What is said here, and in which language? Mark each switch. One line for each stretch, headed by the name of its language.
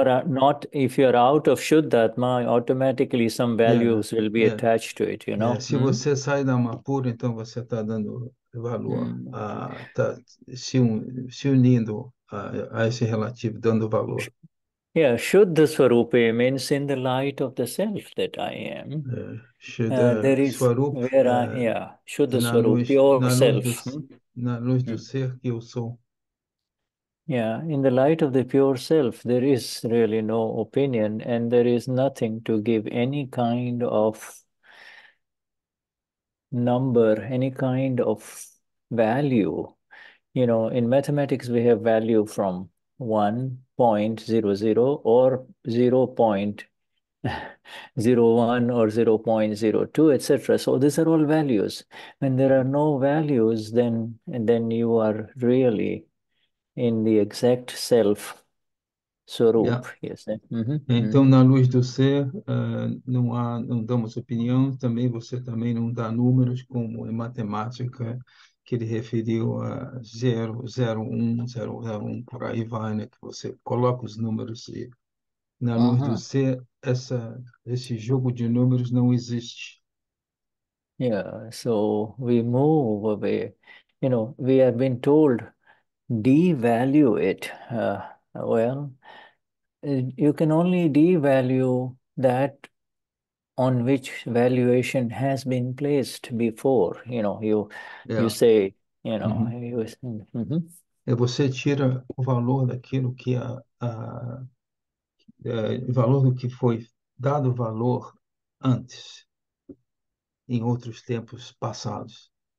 English: are not, if you are out of Shuddhatma, automatically some values will be attached to it, you know.
Portuguese: Se você sai da Amapura, então você está dando valor, está se unindo a esse relativo, dando valor.
English: Yeah, Shuddha Swarupe means in the light of the self that I am. Shuddha There is Swarup where I am. Yeah, Shuddha Swarupe, your self.
Portuguese: na luz do ser que eu sou.
English: Yeah, in the light of the pure self, there is really no opinion, and there is nothing to give any kind of number, any kind of value. You know, in mathematics, we have value from 1.00 or 0.01 or 0.02, etc. So these are all values. When there are no values, then you are really in the exact self, Swarup, yes.
Portuguese: Então, na luz do ser, não damos opinião, também você também não dá números, como em matemática, que ele referiu a 0, 0, 1, 0, 0, 1, por aí vai, né? Que você coloca os números e na luz do ser, esse jogo de números não existe.
English: Yeah, so we move away. You know, we have been told, devalue it. Well, you can only devalue that on which valuation has been placed before. You know, you say, you know, you listen.
Portuguese: Você tira o valor daquilo que valor do que foi dado valor antes, em outros tempos passados.